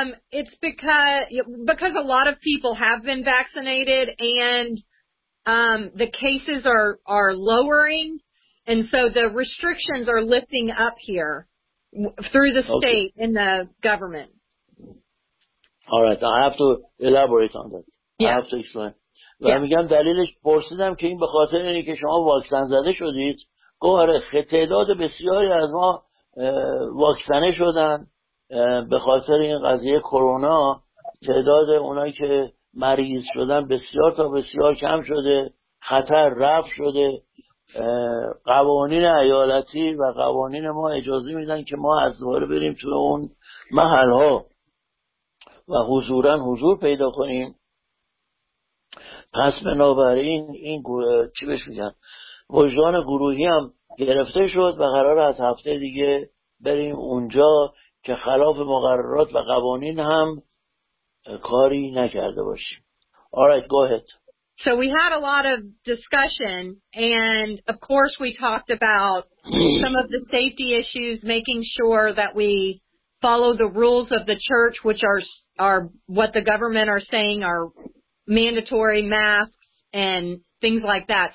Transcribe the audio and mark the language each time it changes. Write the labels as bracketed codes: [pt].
[en] It's because a lot of people have been vaccinated and the cases are lowering. And so the restrictions are lifting up here through the state and the government. All right. I have to elaborate on that. Yeah. I have to explain. [fa] و میگم دلیلش پرسیدم که این به خاطر اینه که شما واکسن زده شدید. گوه آره، تعداد بسیاری از ما واکسنه شدن به خاطر این قضیه کرونا. تعداد اونایی که مریض شدن بسیار تا بسیار کم شده. خطر رفع شده. قوانین ایالتی و قوانین ما اجازه میدن که ما از دوباره بریم تو اون محل ها و حضور پیدا کنیم. پس بنابراین این چی بهش میگن وجدان گروهی هم گرفته شد و قرار از هفته دیگه بریم اونجا که خلاف مقررات و قوانین هم کاری نکرده باشیم. [en] Alright, go ahead. So we had a lot of discussion, and of course we talked about some of the safety issues, making sure that we follow the rules of the church, which are what the government are saying are mandatory masks and things like that.